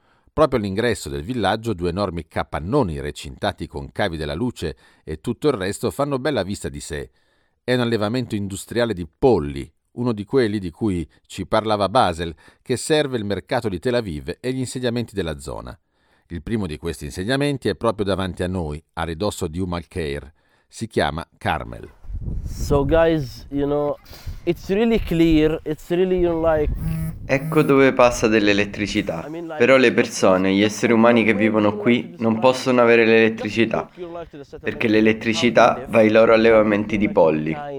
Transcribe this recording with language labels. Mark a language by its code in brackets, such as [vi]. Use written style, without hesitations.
[it] Proprio all'ingresso del villaggio, due enormi capannoni recintati con cavi della luce e tutto il resto fanno bella vista di sé. È un allevamento industriale di polli, uno di quelli di cui ci parlava Basel, che serve il mercato di Tel Aviv e gli insediamenti della zona. Il primo di questi insediamenti è proprio davanti a noi, a ridosso di Umm al-Khayr. Si chiama Carmel. [en] So guys, you know, it's really clear, it's really, you know, like... [it] Ecco dove passa dell'elettricità. Però le persone, gli esseri umani che vivono qui, non possono avere l'elettricità, perché l'elettricità va ai loro allevamenti di polli.